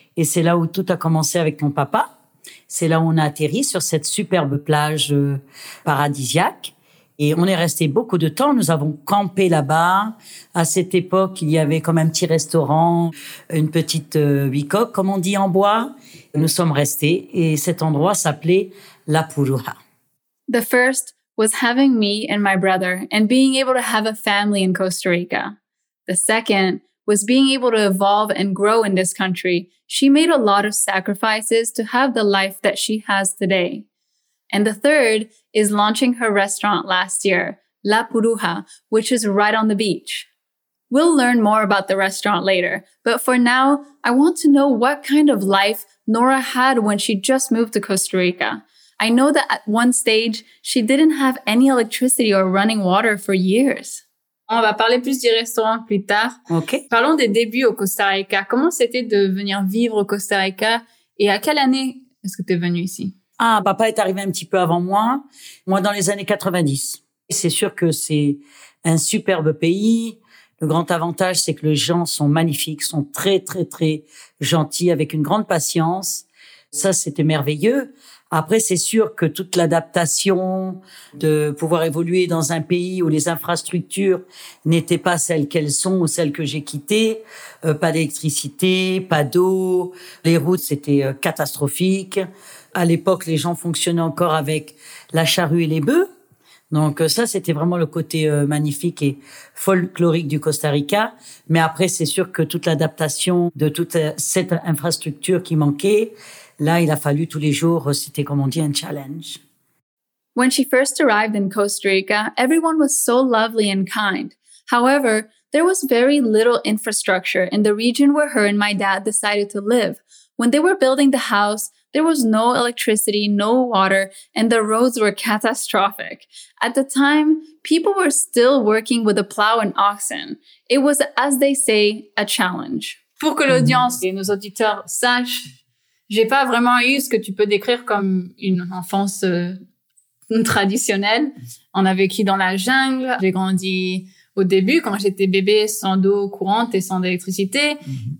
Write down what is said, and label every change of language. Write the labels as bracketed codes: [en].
[fr] Et c'est là où tout a commencé avec mon papa. C'est là où on a atterri sur cette superbe plage paradisiaque. Et on est resté beaucoup de temps. Nous avons campé là-bas. À cette époque, il y avait comme un petit restaurant, une petite bicoque, comme on dit en bois. Nous sommes restés et cet endroit s'appelait La Puruja. [en] The first was having me and my brother and being able to have a family in Costa Rica. The second was being able to evolve and grow in this country. She made a lot of sacrifices to have the life that she has today. And the third is launching her restaurant last year, La Puruja, which is right on the beach. We'll learn more about the restaurant later. But for now, I want to know what kind of life Nora had when she just moved to Costa Rica. I know that at one stage, she didn't have any electricity or running water for years. [fr] On va parler plus du restaurant plus tard. OK. Parlons des débuts au Costa Rica. Comment c'était de venir vivre au Costa Rica et à quelle année est-ce que tu es venu ici? Ah, papa est arrivé un petit peu avant moi. Moi, dans les années 90. C'est sûr que c'est un superbe pays. Le grand avantage, c'est que les gens sont magnifiques, sont très, très, très gentils, avec une grande patience. Ça, c'était merveilleux. Après, c'est sûr que toute l'adaptation de pouvoir évoluer dans un pays où les infrastructures n'étaient pas celles qu'elles sont ou celles que j'ai quittées, pas d'électricité, pas d'eau, les routes, c'était catastrophique. À l'époque, les gens fonctionnaient encore avec la charrue et les bœufs. Donc ça, c'était vraiment le côté magnifique et folklorique du Costa Rica. Mais après, c'est sûr que toute l'adaptation de toute cette infrastructure qui manquait, là, il a fallu tous les jours, c'était comme on dit, un challenge. [en] When she first arrived in Costa Rica, everyone was so lovely and kind. However, there was very little infrastructure in the region where her and my dad decided to live. When they were building the house, there was no electricity, no water, and the roads were catastrophic. At the time, people were still working with a plow and oxen. It was, as they say, a challenge. [fr] Pour que l'audience et nos auditeurs sachent, j'ai pas vraiment eu ce que tu peux décrire comme une enfance traditionnelle. On a vécu dans la jungle. J'ai grandi au début, quand j'étais bébé, sans eau courante et sans électricité. Mm-hmm.